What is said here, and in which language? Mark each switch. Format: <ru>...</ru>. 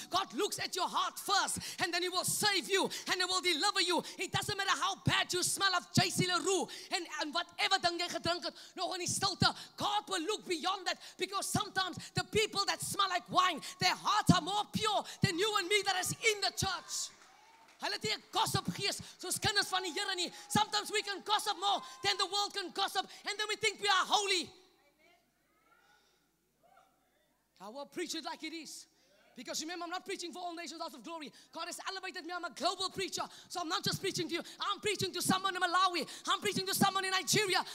<en>God looks at your heart first. And then he will save you. And he will deliver you. It doesn't matter how bad you smell of J.C. LaRue. And whatever</en> <af>dan jy gedrink het, nog in die stilte.</af> <en>God will look beyond that. Because sometimes the people that smell like wine, their hearts are more pure than you and me that is in the church.</en> <af>Hulle het nie 'n gossip gees soos kinders van die Here nie.</af> <en>Sometimes we can gossip more than the world can gossip, and then we think we are holy. I will preach it like it is. Because remember, I'm not preaching for all nations out of glory. God has elevated me. I'm a global preacher. So I'm not just preaching to you. I'm preaching to someone in Malawi. I'm preaching to someone in Nigeria.</en>